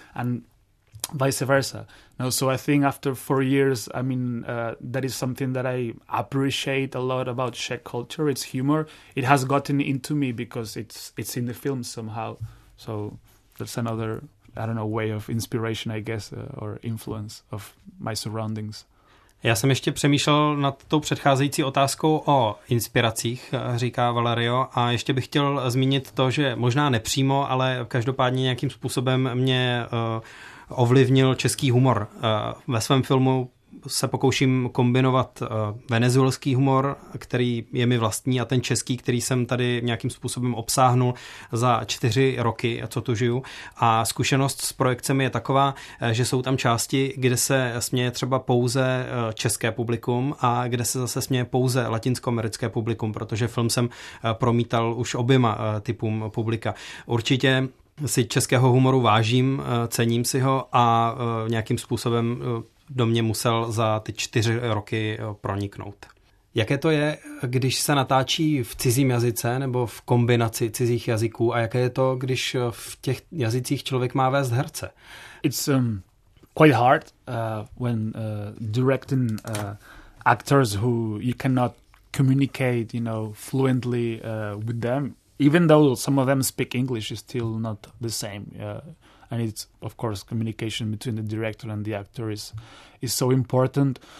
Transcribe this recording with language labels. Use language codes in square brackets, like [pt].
[en] And vice versa. No, so I think after 4 years, I mean, that is something that I appreciate a lot about Czech culture, its humor. It has gotten into me because it's in the film somehow. So that's another, I don't know, way of inspiration, I guess, or influence of my surroundings. [cs] Já jsem ještě přemýšlel nad tou předcházející otázkou o inspiracích, říká Valerio, a ještě bych chtěl zmínit to, že možná nepřímo, ale každopádně nějakým způsobem mě ovlivnil český humor. Ve svém filmu se pokouším kombinovat venezuelský humor, který je mi vlastní, a ten český, který jsem tady nějakým způsobem obsáhnul za 4 roky, co tu žiju. A zkušenost s projekcemi je taková, že jsou tam části, kde se směje třeba pouze české publikum a kde se zase směje pouze latinskoamerické publikum, protože film jsem promítal už oběma typům publika. Určitě si českého humoru vážím, cením si ho a nějakým způsobem do mě musel za ty 4 roky proniknout. Jaké to je, když se natáčí v cizím jazyce nebo v kombinaci cizích jazyků, a jaké je to, když v těch jazycích člověk má vést herce? [en] It's quite hard when directing actors who you cannot communicate, you know, fluently with them. Even though some of them speak English, it's still not the same. And it's, of course, communication between the director and the actor is so important.